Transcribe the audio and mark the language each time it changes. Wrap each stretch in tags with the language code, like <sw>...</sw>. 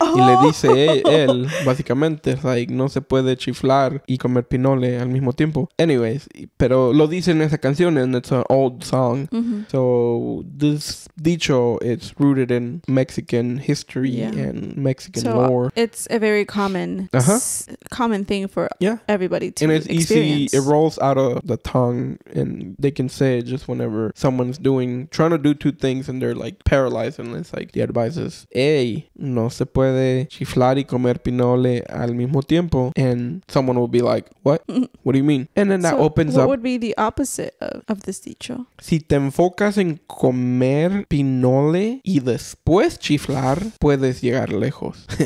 <es>Oh. Y le dice él, básicamente, es like, no se puede chiflar y comer pinole al mismo tiempo.</es> <en>Anyways, pero lo dice en esa canción, and it's an old song. Mm-hmm. So this dicho, it's rooted in Mexican history and Mexican lore. It's a very common common thing for everybody to experience. And it's experience. Easy. It rolls out of the tongue, and they can say it just whenever someone's trying to do two things, and they're like paralyzed, and it's like the advice is, hey, no se puede chiflar y comer pinole al mismo tiempo, and someone will be like, what? What do you mean? And then that opens up. What would be the opposite of this dicho?</en> <es>Si te enfocas en comer pinole y después chiflar, puedes llegar lejos.</es>